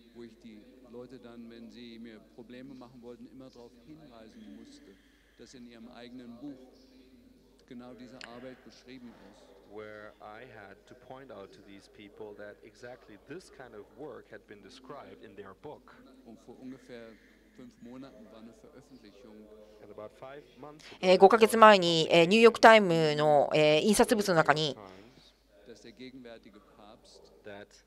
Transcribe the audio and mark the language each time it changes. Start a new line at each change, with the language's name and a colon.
German: Wo ich die Leute dann, wenn sie mir Probleme machen wollten, immer darauf hinweisen musste, dass in ihrem eigenen Buch genau diese Arbeit beschrieben ist.
English: Where I had to point out to these people that exactly this kind of work had been described in their book.
German: Und vor ungefähr 5 Monaten war eine Veröffentlichung.
English: And about 5 months.
Japanese: 5ヶ月前にニューヨークタイムの印刷物の中に、
German: dass der gegenwärtige Papst,
English: that